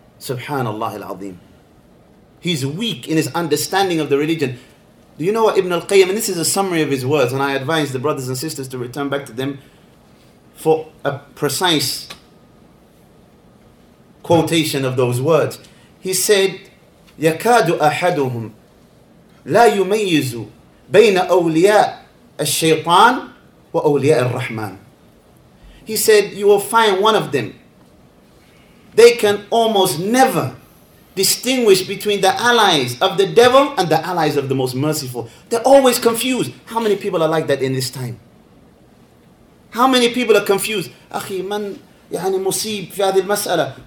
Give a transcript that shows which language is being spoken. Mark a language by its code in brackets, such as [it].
[ar] سبحان الله العظيم. [en] He's weak in his understanding of the religion. Do you know what Ibn al-Qayyim, and this is a summary of his words, and I advise the brothers and sisters to return back to them for a precise quotation of those words. He said, [ar] يكاد أحدهم لا يميز بين أولياء الشيطان وأولياء الرحمن. [en] He said, you will find one of them, they can almost never distinguish between the allies of the devil and the allies of the most merciful. They're always confused. How many people are like that in this time? How many people are confused? [ar] أخي من يعني مصيب في هذه المسألة.